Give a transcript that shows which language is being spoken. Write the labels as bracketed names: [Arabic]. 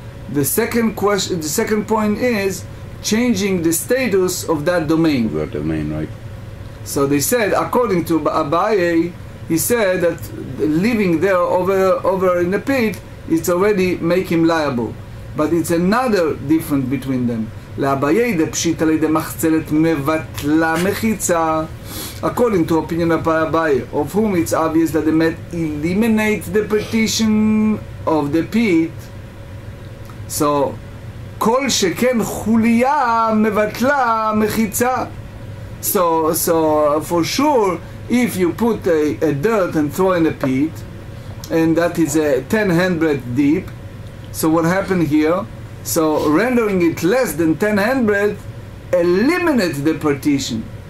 [English] The second question, the second point is changing the status of that domain. That domain, right? So they said, according to Abaye, he said that living there over in the pit, it's already make him liable. But it's another difference between them. [Hebrew] לאביי דפשיט על ידי מחצלת מבטלה מחיצה. [English] According to opinion of Abaye, of whom it's obvious that the mat eliminates the partition of the pit. [Hebrew] So, כל שכן חוליה מבטלה מחיצה. [English] So for sure, if you put a dirt and throw in a pit, and that is a 10 hand breadth deep, so what happened here? So rendering it less than 10 hand breadth eliminates the partition.